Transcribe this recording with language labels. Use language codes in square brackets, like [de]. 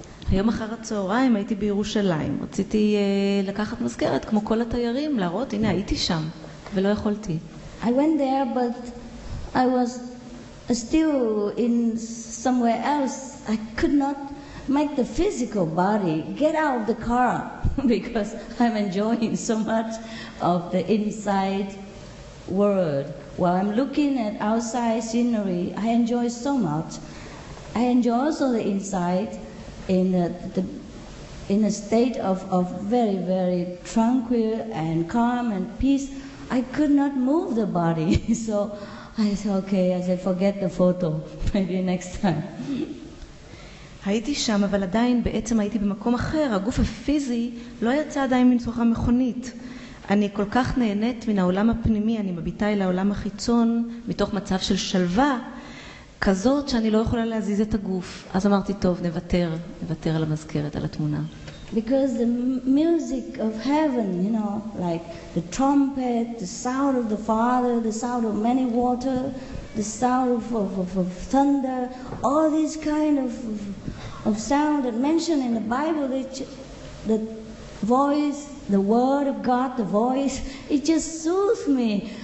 [he] היום אחר הצהריים הייתי בירושלים. רציתי לקחת מזכרת כמו כל התיירים, להראות, הנה, הייתי שם, ולא יכולתי. [en] I went there, but I was still in somewhere else. I could not make the physical body get out of the car because I'm enjoying so much of the inside world. While I'm looking at outside scenery, I enjoy so much. I enjoy also the inside in a state of very, very tranquil and calm and peace. I could not move the body. So I said, okay, I said, forget the photo. Maybe next time. [he] הייתי שם, אבל עדיין בעצם הייתי במקום אחר. הגוף הפיזי לא יצא עדיין מנצוחה מכונית. אני כל כך נהנית מן העולם הפנימי, אני מביטה אל העולם החיצון, מתוך מצב של שלווה, כזאת שאני לא יכולה להזיז את הגוף. אז אמרתי, טוב, נוותר, נוותר על המזכרת, על התמונה. [en] Because the music of heaven, you know, like the trumpet, the sound of the Father, the sound of many water, the sound of thunder, all these kind of sound that mentioned in the Bible, the voice, the word of God, the voice, it just soothes me.